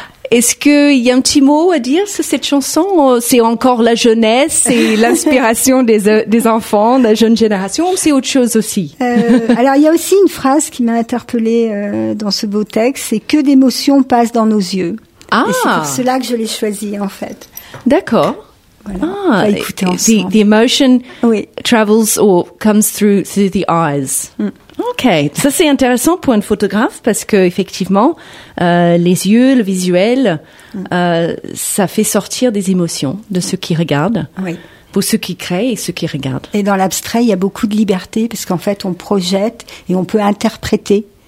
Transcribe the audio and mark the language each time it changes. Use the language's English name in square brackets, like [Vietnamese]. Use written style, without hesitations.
[French] Est-ce qu'il y a un petit mot à dire sur cette chanson? C'est encore la jeunesse, c'est l'inspiration des enfants, de la jeune génération, ou c'est autre chose aussi? Alors, il y a aussi une phrase qui m'a interpellée dans ce beau texte, c'est « que d'émotions passent dans nos yeux ». Ah. Et c'est pour cela que je l'ai choisie, en fait. D'accord. Voilà, on va écouter ensemble. [English] The emotion travels or comes through the eyes. Mm. [French] Ok, ça c'est intéressant pour une photographe parce que effectivement les yeux, le visuel, ça fait sortir des émotions de ceux qui regardent, pour ceux qui créent et ceux qui regardent. Et dans l'abstrait, il y a beaucoup de liberté parce qu'en fait, on projette et on peut interpréter.